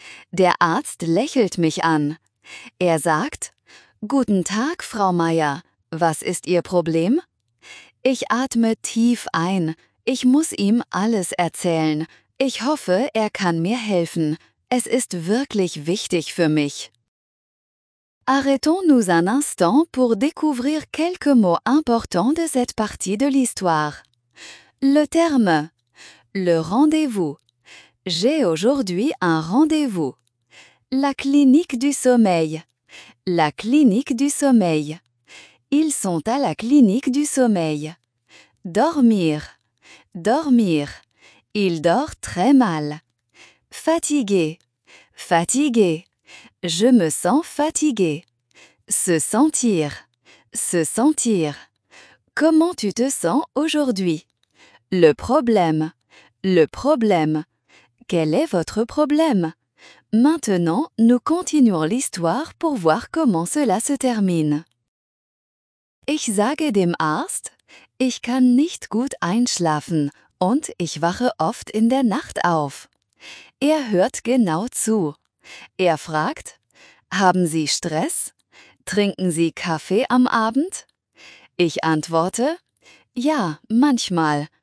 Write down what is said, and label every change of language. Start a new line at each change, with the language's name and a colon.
German: Der Arzt lächelt mich an. Er sagt: "Guten Tag, Frau Meier. Was ist Ihr Problem?" Ich atme tief ein. Ich muss ihm alles erzählen. Ich hoffe, er kann mir helfen. Es ist wirklich wichtig für mich.
French: Arrêtons-nous un instant pour découvrir quelques mots importants de cette partie de l'histoire. Le terme. Le rendez-vous. J'ai aujourd'hui un rendez-vous. La clinique du sommeil. La clinique du sommeil. Ils sont à la clinique du sommeil. Dormir. Dormir. Il dort très mal. Fatigué. Fatigué. Je me sens fatigué. Se sentir. Se sentir. Comment tu te sens aujourd'hui? Le problème. Le problème. Quel est votre problème? Maintenant, nous continuons l'histoire pour voir comment cela se termine.
German: Ich sage dem Arzt, ich kann nicht gut einschlafen und ich wache oft in der Nacht auf. Er hört genau zu. Er fragt: Haben Sie Stress? Trinken Sie Kaffee am Abend? Ich antworte: Ja, manchmal.